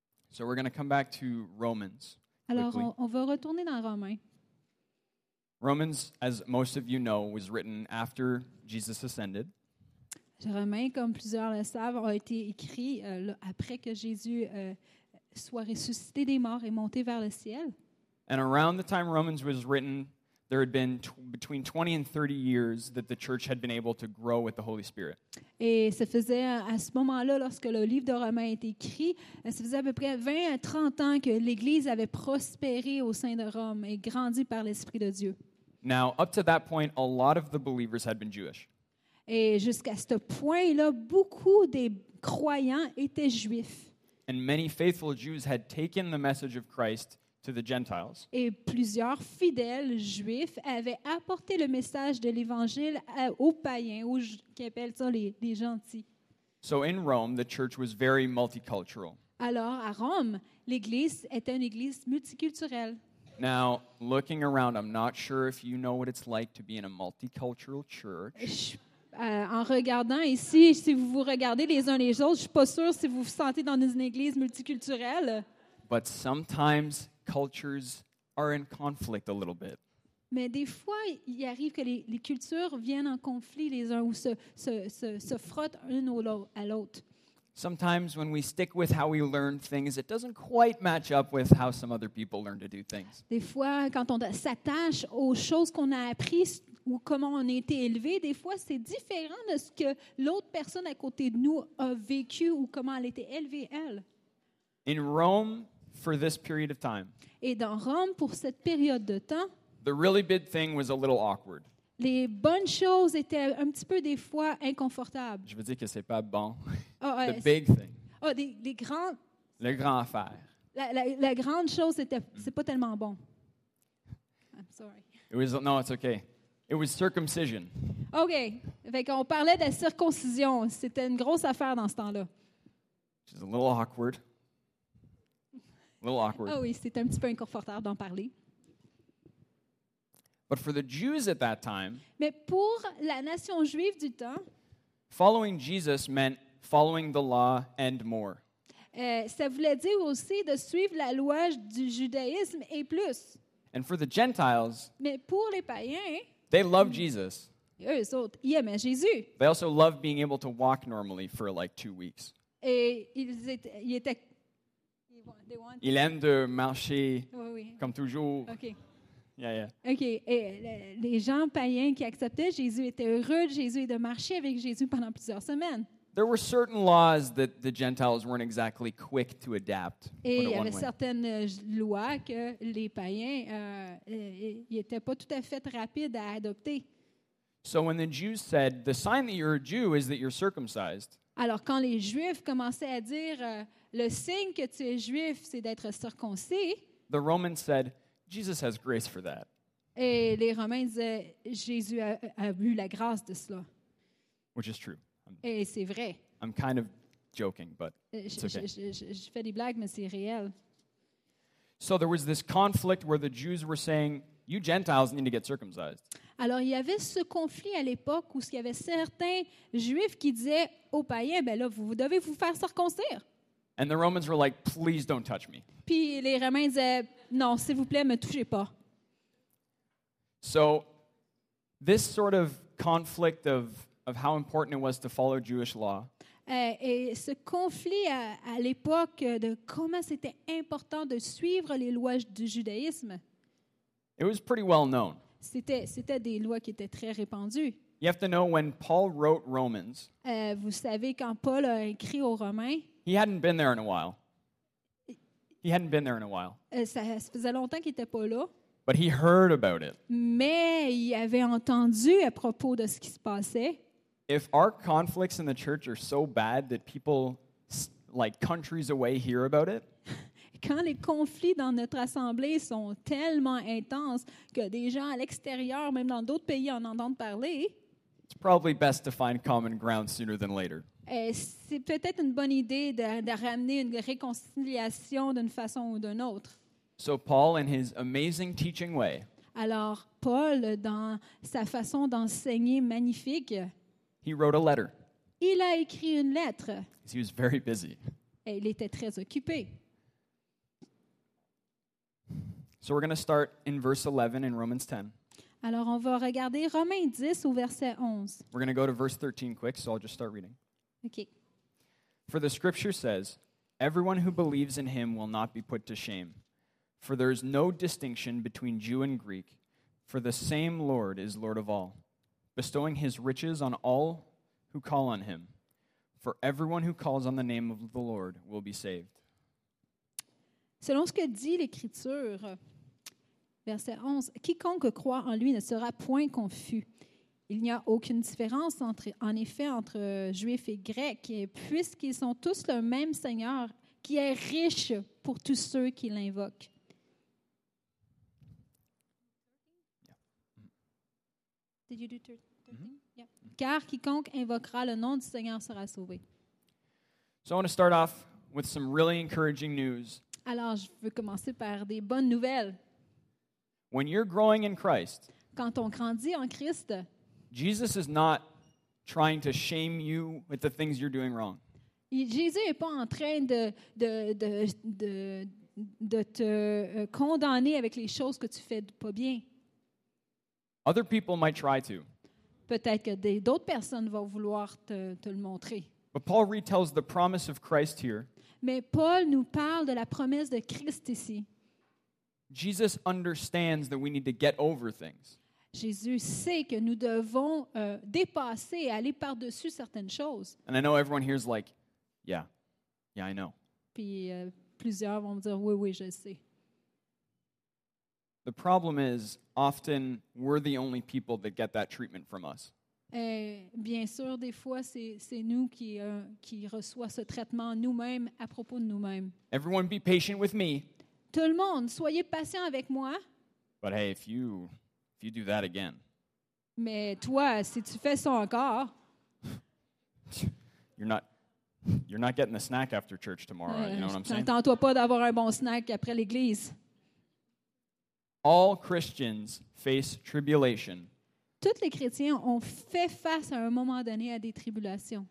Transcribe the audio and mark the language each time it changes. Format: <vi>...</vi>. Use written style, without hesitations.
<en>So we're going to come back to Romans.</en> <fr>Alors, on va retourner dans Romains.</fr> <en>Romans, as most of you know, was written after Jesus ascended.</en> <fr>Romains, comme plusieurs le savent, ont été écrits après que Jésus soit ressuscité des morts et monté vers le ciel.</fr> <en>And around the time Romans was written, there had been between 20 and 30 years that the church had been able to grow with the Holy Spirit.</en> <fr>Et ça faisait à ce moment-là, lorsque le livre de Romains a été écrit, ça faisait à peu près 20 à 30 ans que l'Église avait prospéré au sein de Rome et grandi par l'Esprit de Dieu.</fr> <en>Now, up to that point, a lot of the believers had been Jewish.</en> <fr>Et jusqu'à ce point-là, beaucoup des croyants étaient juifs.</fr> <en>And many faithful Jews had taken the message of Christ to the Gentiles.</en> <fr>Et plusieurs fidèles juifs avaient apporté le message de l'Évangile aux païens, aux qui appellent ça les gentils.</fr> <en>So in Rome, the church was very multicultural.</en> <fr>Alors à Rome, l'Église était une Église multiculturelle.</fr> <en>Now, looking around, I'm not sure if you know what it's like to be in a multicultural church.</en> <fr>En regardant ici, si vous vous regardez les uns les autres, je suis pas sûr si vous vous sentez dans une église multiculturelle.</fr> <en>But sometimes cultures are in conflict a little bit.</en> <fr>Mais des fois, il arrive que les cultures viennent en conflit les uns ou se frottent une à l'autre.</fr> <en>Sometimes when we stick with how we learn things, it doesn't quite match up with how some other people learn to do things.</en> <fr>Des fois, quand on s'attache aux choses qu'on a apprises ou comment on a été élevé, des fois c'est différent de ce que l'autre personne à côté de nous a vécu ou comment elle était élevée elle.</fr> <en>In Rome, for this period of time.</en> <fr>Et dans Rome pour cette période de temps.</fr> <en>The really big thing was a little awkward.</en> <fr>Les bonnes choses étaient un petit peu des fois inconfortables. Je veux dire que c'est pas bon. Oh,</fr> <en>the big thing.</en> <fr>Oh, les grands. Le grand affaire. La grande chose était, c'est pas tellement bon.</fr> <en>I'm sorry. It was no, it's okay. It was circumcision.</en> <fr>Okay, fait qu'on parlait de la circoncision. C'était une grosse affaire dans ce temps-là.</fr> <en>It's a little awkward. A little awkward.</en> <fr>Oh oui, c'était un petit peu inconfortable d'en parler.</fr> <en>But for the Jews at that time,</en> <fr>mais pour la nation juive du temps,</fr> <en>following Jesus meant following the law and more.</en> <fr>Ça voulait dire aussi de suivre la loi du judaïsme et plus.</fr> <en>And for the Gentiles,</en> <fr>mais pour les païens,</fr> <en>they loved Jesus.</en> <fr>Eux autres, ils aimaient Jésus.</fr> <en>They also loved being able to walk normally for like 2 weeks.</en> <fr>Et ils aiment de marcher comme toujours.</fr> <en>Okay. Yeah, yeah.</en> <fr>OK, et les gens païens qui acceptaient Jésus étaient heureux de Jésus et de marcher avec Jésus pendant plusieurs semaines.</fr> <en>There were certain laws that the Gentiles weren't exactly quick to adapt.</en> <fr>Et il y avait certaines lois que les païens n'étaient pas tout à fait rapides à adopter.</fr> <en>So when the Jews said, "The sign that you're a Jew is that you're circumcised."</en> <fr>Alors quand les Juifs commençaient à dire le signe que tu es juif, c'est d'être circoncis.</fr> <en>The Romans said, Jesus has grace for that.</en> <fr>Et les Romains disaient, Jésus a eu la grâce de cela.</fr> <en>Which is true.</en> <fr>Et c'est vrai.</fr> <en>I'm kind of joking, but</en> <fr>je fais des blagues, mais c'est réel.</fr> <en>So there was this conflict where the Jews were saying, you Gentiles need to get circumcised.</en> <fr>Alors, il y avait ce conflit à l'époque où il y avait certains Juifs qui disaient aux païens, ben là, vous devez vous faire circoncire.</fr> <en>And the Romans were like, please don't touch me.</en> <fr>Puis les Romains disaient, non, s'il vous plaît, me touchez pas.</fr> <en>So, this sort of conflict of how important it was to follow Jewish law.</en> <fr>Et ce conflit à l'époque de comment c'était important de suivre les lois du judaïsme.</fr> <en>It was pretty well known.</en> <fr>C'était des lois qui étaient très répandues.</fr> <en>You have to know when Paul wrote Romans.</en> <fr>Vous savez quand Paul a écrit aux Romains.</fr> <en>He hadn't been there in a while. He hadn't been there in a while.</en> <fr>Ça faisait longtemps qu'il était pas là.</fr> <en>But he heard about it.</en> <fr>Mais il avait entendu à propos de ce qui se passait.</fr> <en>If our conflicts in the church are so bad that people like countries away hear about it.</en> <fr>Quand les conflits dans notre assemblée sont tellement intenses que des gens à l'extérieur, même dans d'autres pays, en entendent parler.</fr> <en>It's probably best to find common ground sooner than later.</en> <fr>Et c'est peut-être une bonne idée de ramener une réconciliation d'une façon ou d'une autre.</fr> <en>So Paul, in his amazing teaching way,</en> <fr>alors Paul, dans sa façon d'enseigner magnifique,</fr> <en>he wrote a letter.</en> <fr>Il a écrit une lettre.</fr> <en>He was very busy.</en> <fr>Et il était très occupé.</fr> <en>So we're going to start in verse 11 in Romans 10.</en> <fr>Alors on va regarder Romains 10 au verset 11.</fr> <en>We're going to go to verse 13 quick, so I'll just start reading. Okay. For the scripture says, everyone who believes in him will not be put to shame. For there is no distinction between Jew and Greek, for the same Lord is Lord of all, bestowing his riches on all who call on him. For everyone who calls on the name of the Lord will be saved.</en> <fr>Selon ce que dit l'Écriture, verset 11, quiconque croit en lui ne sera point confus. Il n'y a aucune différence entre juifs et grecs, puisqu'ils sont tous le même Seigneur qui est riche pour tous ceux qui l'invoquent.</fr> <en>Did you do 13? Yeah.</en> <fr>Car quiconque invoquera le nom du Seigneur sera sauvé.</fr> <en>So I want to start off with some really encouraging news.</en> <fr>Alors, je veux commencer par des bonnes nouvelles.</fr> <en>When you're growing in Christ,</en> <fr>quand on grandit en Christ,</fr> <en>Jesus is not trying to shame you with the things you're doing wrong.</en> <fr>Jésus n'est pas en train de te condamner avec les choses que tu fais pas bien.</fr> <en>Other people might try to.</en> <fr>Peut-être que d'autres personnes vont vouloir te le montrer.</fr> <en>But Paul retells the promise of Christ here.</en> <fr>Mais Paul nous parle de la promesse de Christ ici.</fr> <en>Jesus understands that we need to get over things.</en> <fr>Jésus sait que nous devons dépasser, aller par-dessus certaines choses.</fr> <en>And I know everyone here is like, yeah, yeah, I know.</en> <fr>Puis plusieurs vont me dire, oui, oui, je sais.</fr> <en>The problem is, often, we're the only people that get that treatment from us.</en> <fr>Et bien sûr, des fois, c'est nous qui reçoit ce traitement nous-mêmes, à propos de nous-mêmes.</fr> <en>Everyone be patient with me.</en> <fr>Tout le monde, soyez patient avec moi.</fr> <en>But hey, if you do that again.</en> <fr>Mais toi, si tu fais ça encore.</fr> <en>You're not getting a snack after church tomorrow, you know what I'm saying?</en> <fr>N'attends-toi pas d'avoir un bon snack après l'église.</fr> <en>All Christians face tribulation.</en> <fr>Tous les chrétiens ont fait face à un moment donné à des tribulations.</fr>